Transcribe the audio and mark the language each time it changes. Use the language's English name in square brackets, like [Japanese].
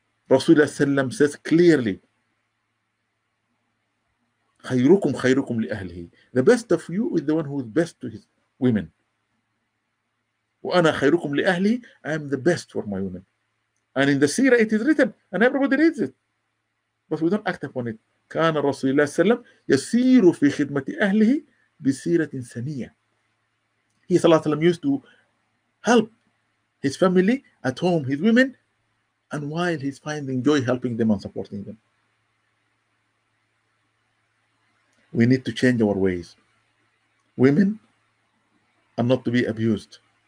[English] Rasulullah Sallam says clearly, [Arabic] خيركم خيركم لأهله. [English] The best of you is the one who is best to his women. [Arabic] وأنا خيركم لأهله. [English] I am the best for my women. And in the seerah it is written, and everybody reads it. But we don't act upon it. [Arabic] كان رسول الله سلم يسير في خدمة أهله بسيرة سنية. [English] He [Arabic] صلى الله عليه وسلم [English] used to help his family at home, his women, and while he's finding joy helping them and supporting them. We need to change our ways. Women are not to be abused.